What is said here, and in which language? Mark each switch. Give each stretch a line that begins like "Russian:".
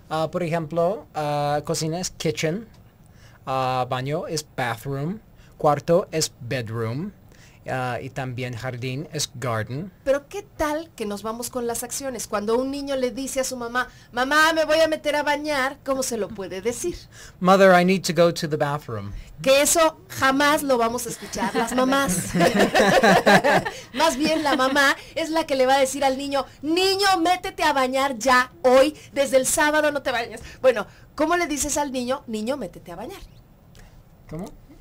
Spanish: Por ejemplo, cocina es kitchen, baño es bathroom, cuarto es bedroom. Y también jardín es garden. Pero ¿qué tal que nos vamos con las acciones? Cuando un niño le dice a su mamá, mamá, me voy a meter a bañar, ¿cómo se lo puede decir?
English: Mother, I need to go to the bathroom.
Spanish: Que eso jamás lo vamos a escuchar, las mamás. Más bien la mamá es la que le va a decir al niño, niño, métete a bañar ya, hoy, desde el sábado no te bañes. Bueno, ¿cómo le dices al niño, niño, métete a bañar? ¿Cómo?